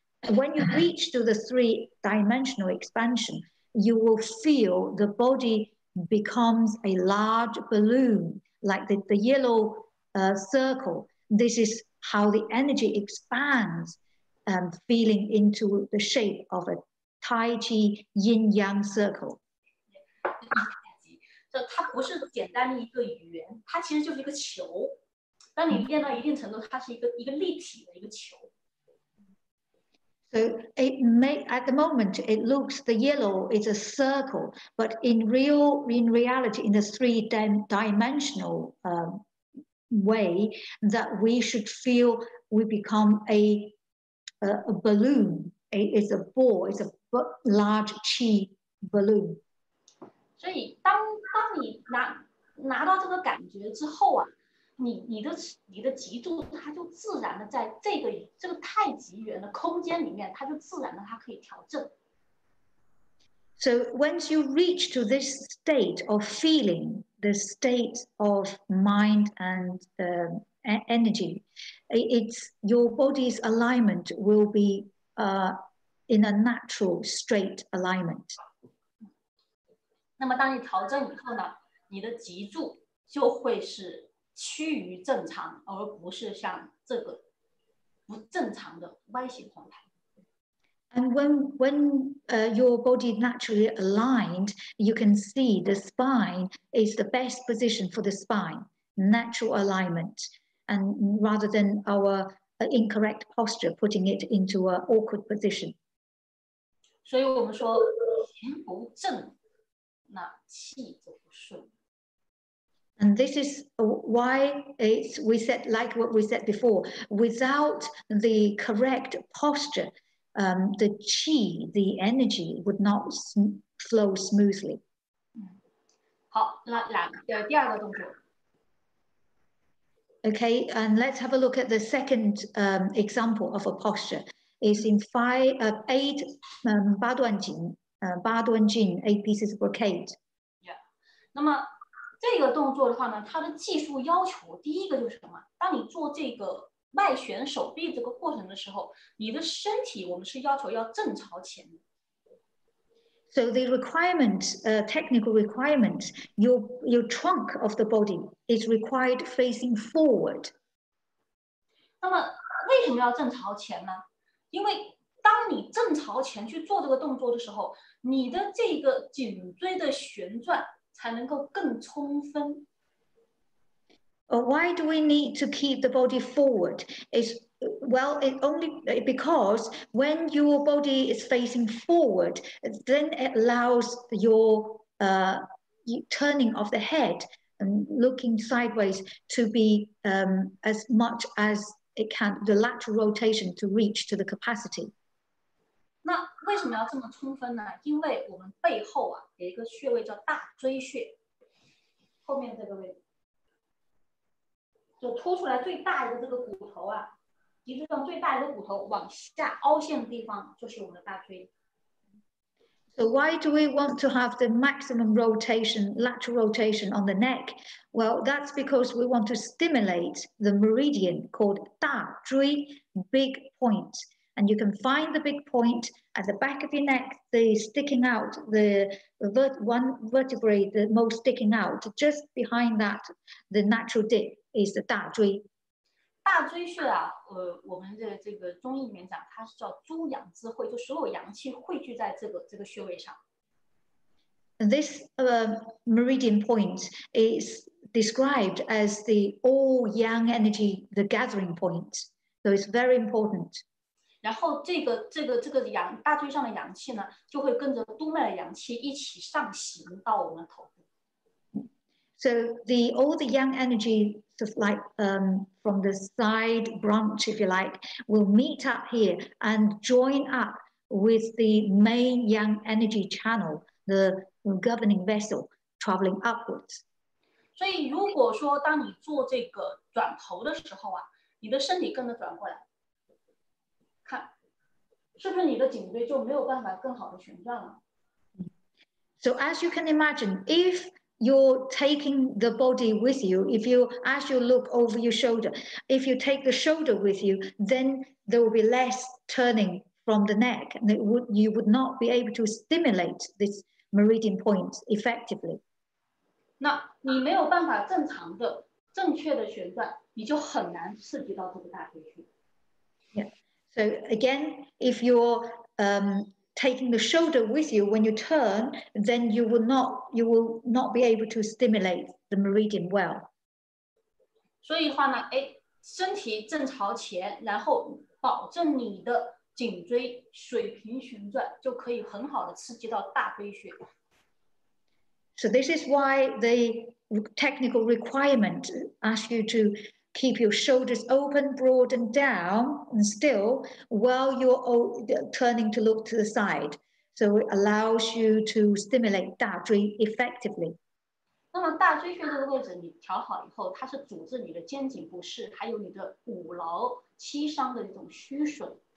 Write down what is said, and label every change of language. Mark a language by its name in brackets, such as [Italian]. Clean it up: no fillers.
[English] when you reach to the three-dimensional expansion, you will feel the body becomes a large balloon, like the yellow circle. This is how the energy expands, feeling into the shape of a Tai Chi yin yang circle. [Chinese] 它不是简单的一个圆，它其实就是一个球。当你练到一定程度，它是一个立体的一个球。 [English] So it may at the moment it looks the yellow is a circle, but in reality, in the three-dimensional way, that we should feel we become a balloon. It's a ball. It's a large qi balloon. [Chinese] 所以当你拿到这个感觉之后啊，你的脊柱它就自然的在这个太极圆的空间里面，它就自然的它可以调整。 [English] So once you reach to this state of feeling, the state of mind and energy, it's your body's alignment will be in a natural straight alignment. [Chinese] 那么当你调整以后呢，你的脊柱就会是趋于正常，而不是像这个不正常的歪斜状态。 [English] And when your body naturally aligned, you can see the spine is the best position for the spine, natural alignment, and rather than our incorrect posture, putting it into an awkward position. [Chinese] 所以我们说，形不正，那气就不顺。 [English] And this is why we said before, without the correct posture, the qi, the energy, would not flow smoothly. [Chinese] 好，第二个动作。 [English] Okay, and let's have a look at the second example of a posture. It's in eight, 八段锦, 八段锦, eight pieces of brocade. [Chinese] Yeah, 那么这个动作的话呢，它的技术要求第一个就是什么？当你做这个外旋手臂这个过程的时候，你的身体我们是要求要正朝前。 [English] So the requirement, technical requirement, your trunk of the body is required facing forward. [Chinese] 那么为什么要正朝前呢？因为当你正朝前去做这个动作的时候，你的这个颈椎的旋转才能够更充分。 [English] Why do we need to keep the body forward? It's, well, it only because when your body is facing forward, then it allows your turning of the head and looking sideways to be as much as it can, the lateral rotation to reach to the capacity. [Chinese] 那为什么要这么充分呢？因为我们背后啊有一个穴位叫大椎穴，后面这个位置，就凸出来最大的这个骨头啊，脊柱上最大的骨头往下凹陷的地方就是我们的大椎。 [English] So why do we want to have the maximum rotation, lateral rotation on the neck? Well, that's because we want to stimulate the meridian called 大椎, big point. And you can find the big point at the back of your neck, the sticking out, the one vertebrae, the most sticking out. Just behind that, the natural dip is the 大椎。 [Chinese] 大椎穴啊，我们的这个中医里面讲，它是叫诸阳之会，就所有阳气汇聚在这个穴位上。 [English] This meridian point is described as the all yang energy, the gathering point. So it's very important. [Chinese] 然后这个阳大椎上的阳气呢，就会跟着督脉的阳气一起上行到我们头部。 [English] So the all the yang energy, just like from the side branch, if you like, will meet up here and join up with the main yang energy channel, the governing vessel, traveling upwards. [Chinese] 所以如果说当你做这个转头的时候啊，你的身体跟着转过来。是不是你的颈椎就没有办法更好的旋转了？ [English] So as you can imagine, if you're taking the body with you, if you as you look over your shoulder, if you take the shoulder with you, then there will be less turning from the neck, and it would, you would not be able to stimulate this meridian point effectively. [Chinese] 那你没有办法正常的、正确的旋转，你就很难刺激到这个大椎区。 [English] So again, if you're taking the shoulder with you when you turn, then you will not be able to stimulate the meridian well. [Chinese] 所以话呢，哎，身体正朝前，然后保证你的颈椎水平旋转，就可以很好的刺激到大椎穴。 [English] So this is why the technical requirement asks you to keep your shoulders open, broad and down and still while you're turning to look to the side. So it allows you to stimulate 大椎 effectively. [Chinese] 那么大椎穴这个位置你调好以后，它是阻止你的肩颈不适，还有你的骨劳膝伤的一种虚损。